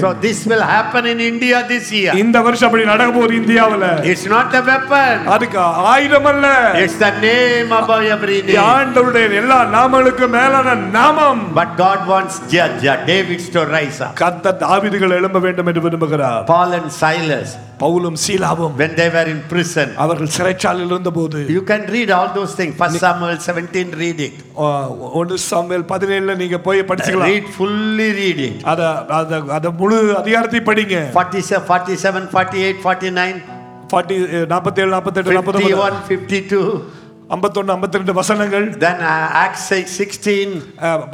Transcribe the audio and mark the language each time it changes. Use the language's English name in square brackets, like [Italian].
[English] So this will happen in India this year. [Tamil] இந்த வருஷம் அப்படி நடக்க போகுது இந்தியாவில. [English] It's not a weapon. [Tamil] அதுக்கு ஆயுதம் அல்ல. [English] It's the name above every name. [Tamil] ஆண்டவருடைய எல்லா நாமங்களுக்கும் மேலான நாமம். [English] But God wants judge David to rise up. [Tamil] கர்த்தர் தாவீதுகள் எழும்ப வேண்டும் என்று விரும்புகிறார். [English] Paul and Silas. [Tamil] பவுலும் சீலாவும் [English] when they were in prison [Tamil] அவர்கள் சிறைச்சாலில் இருந்தபோது [English] you can read all those things 1 samuel 17 read it one samuel 17 [Tamil] நீங்க போய் படிச்சுக்கலாம் [English] read fully read it [Tamil] அத முழு அதிகாரத்தை படிங்க 47 47 48 49 47 48 49 51 52 51-52 வசனங்கள் [English] then acts 16